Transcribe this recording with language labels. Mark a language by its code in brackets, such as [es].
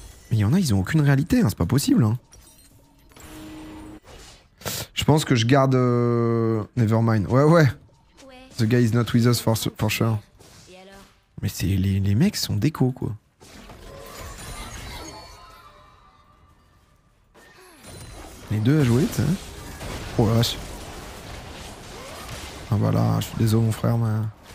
[fr] Mais y en a, ils ont aucune réalité, hein, c'est pas possible. Hein. Je pense que je garde Nevermind. Ouais, ouais. [en] The guy is not with us for sure. [fr] Mais c'est les mecs sont déco quoi. Les deux à jouer, tu sais. Oh la vache. Ah bah là, je suis désolé mon frère, mais...